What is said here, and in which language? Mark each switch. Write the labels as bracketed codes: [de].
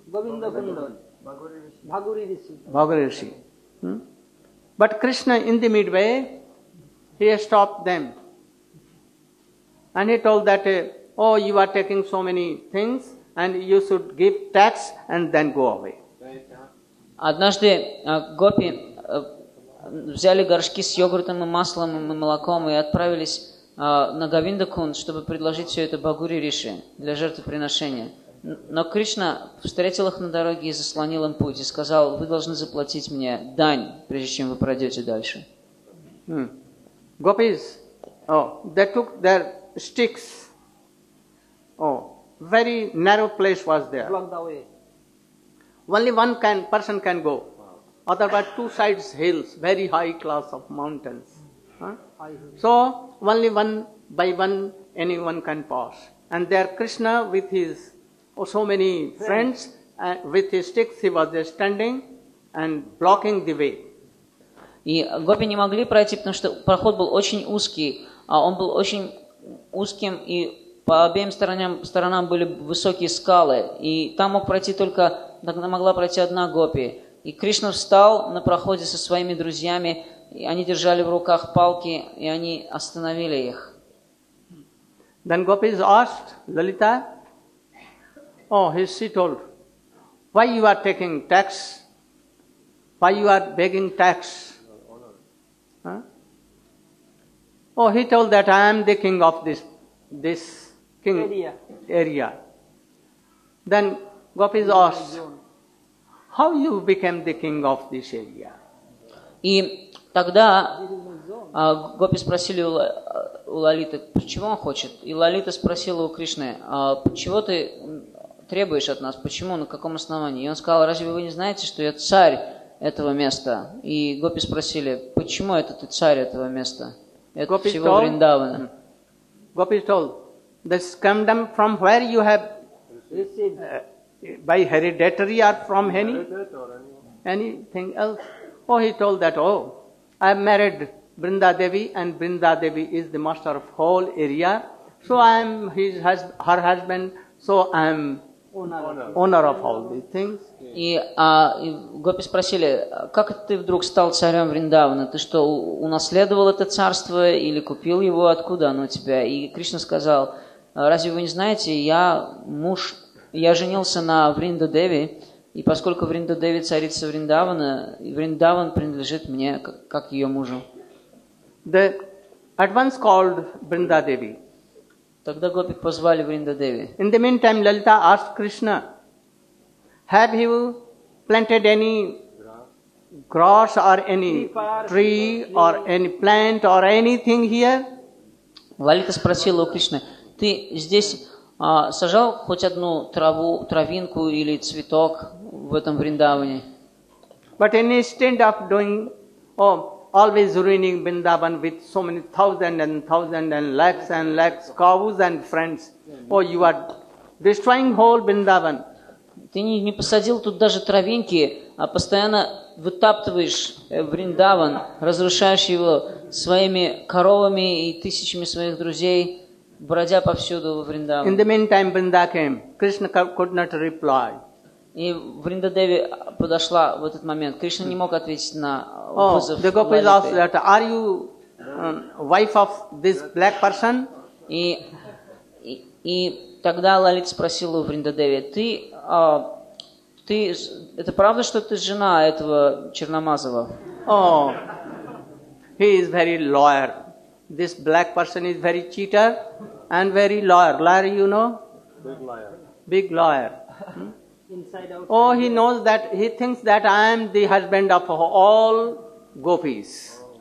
[en] Govinda Kundan. Bhaguri Rishi. But Krishna, in the midway, he stopped them. And he told that, you are taking so many things and you should give tax and then go away. [ru] Однажды гопи взяли горшки с йогуртом и маслом и молоком и отправились на Говиндакунд, чтобы предложить все это Бхагури Риши для жертвоприношения. Но Кришна встретил их на дороге и заслонил им путь и сказал: «Вы должны заплатить мне дань, прежде чем вы пройдете дальше». [en] Gopis, they took their sticks. Very narrow place was there. Blocked the way. Only one person can go. Otherwise, two sides hills, very high class of mountains. So only one by one, anyone can pass. And there Krishna with his so many friends, with his sticks, he was just standing and blocking the way. [ru] И гопи не могли пройти, потому что проход был очень узкий, а он был очень узким, и по обеим сторонам были высокие скалы, и там могла пройти одна гопи. И Кришна встал на проходе со своими друзьями, и они держали в руках палки, и они остановили их. [en] Then gopis asked Lalita, she told, why you are taking tax? Why you are begging tax? He told that I am the king of this king area. Then gopis asked, how you became the king of this area? [ru] И тогда гопи спросили у Лалиты, почему он хочет? И Лалита спросила у Кришны, чего ты требуешь от нас? Почему? На каком основании? И он сказал, разве вы не знаете, что я царь этого места? И гопи спросили, почему это ты царь этого места? Это всего Вриндавана. [en] Gopis told, this kingdom from where you have received? By hereditary or from any? Anything else? He told that, I am married Brinda Devi and Brinda Devi is the master of whole area. So I am her husband, so I am owner of all these things. [ru] И гопи спросили, как ты вдруг стал царем Вриндавана? Ты что, унаследовал это царство или купил его? Откуда оно у тебя? И Кришна сказал, разве вы не знаете, я муж Я женился на Вринда Деви, и поскольку Вринда Деви царица Вриндавана, Вриндаван принадлежит мне как ее мужу. [en] The advance called Vrinda Devi. [ru] Тогда гопи позвали Вринда Деви. [en] In the meantime, Lalita asked Krishna, "Have you planted any grass or any tree or any plant or anything here?" [ru] Лалита спросила у Кришны: "Ты здесь сажал хоть одну траву, травинку или цветок в этом Вриндаване?" [en] But instead of doing, always ruining Vrindavan with so many thousands and lakhs cows and friends, you are destroying whole Vrindavan. [ru] Ты не посадил тут даже травинки, а постоянно вытаптываешь Вриндаван, разрушаешь его своими коровами и тысячами своих друзей, бродя повсюду во Вриндаван. [en] In the meantime, Vrinda came. Krishna could not reply. [ru] И Вринда Деви подошла в этот момент. Кришна не мог ответить на вызов. [en] The gopis asked that, "Are you wife of this black person?" [ru] И тогда Лалита спросила у Вринда Деви: "Ты это правда, что ты жена этого черномазого?" [en] He is very lawyer. This black person is very cheater and very lawyer. Liar, you know? Big liar. Big lawyer. Inside out. He knows that, he thinks that I am the husband of all gopis.